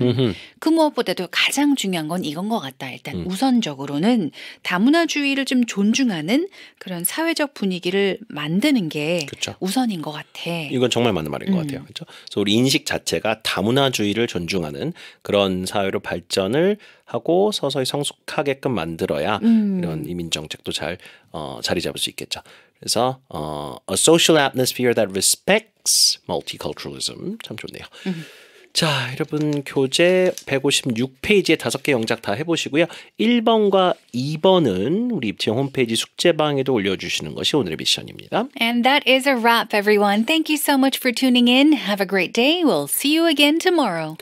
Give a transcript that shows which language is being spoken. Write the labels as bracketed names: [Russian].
[Korean] Mm-hmm. 그 무엇보다도 가장 중요한 건 이건 것 같다. 일단 mm. 우선적으로는 다문화주의를 좀 존중하는 그런 사회적 분위기를 만드는 게 그쵸. 우선인 것 같아. 이건 정말 맞는 말인 것 같아요. 그렇죠? 그래서 우리 인식 자체가 다문화주의를 존중하는 그런 사회로 발전을 하고 서서히 성숙하게끔 만들어야 이런 이민 정책도 잘 자리 잡을 수 있겠죠. 그래서 a social atmosphere that respects multiculturalism 참 좋네요. 자, 여러분 교재 156페이지에 다섯 개 영작 다 해보시고요. 1번과 2번은 우리 입지영 홈페이지 숙제방에도 올려주시는 것이 오늘의 미션입니다. [English] And that is a wrap, everyone. Thank you so much for tuning in. Have a great day. We'll see you again tomorrow.